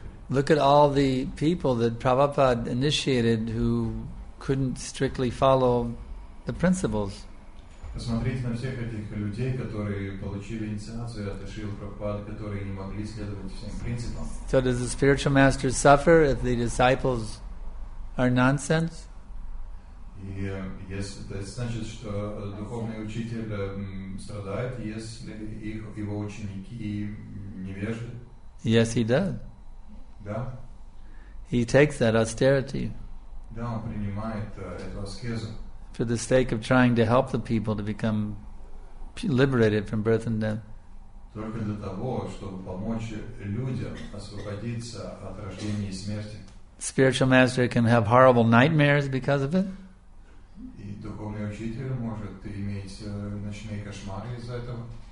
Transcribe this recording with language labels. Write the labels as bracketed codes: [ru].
[en] Look at all the people that Prabhupada initiated who couldn't strictly follow the principles. [ru] Посмотрите на всех этих людей, которые получили инициацию от Шрилы Прабхупады, которые не могли следовать всем принципам. [en] So does the spiritual master suffer if the disciples are nonsense? Yes, that [ru] значит, что духовный учитель страдает, если его ученики невежны. [en] Yes, he does. [ru] Да. [en] He takes that austerity. [ru] Да, он принимает эту аскезу. [en] For the sake of trying to help the people to become liberated from birth and death. [ru] Только для того, чтобы помочь людям освободиться от рождения и смерти. [en] Spiritual master can have horrible nightmares because of it. [ru] И духовный учитель может иметь ночные кошмары из-за этого.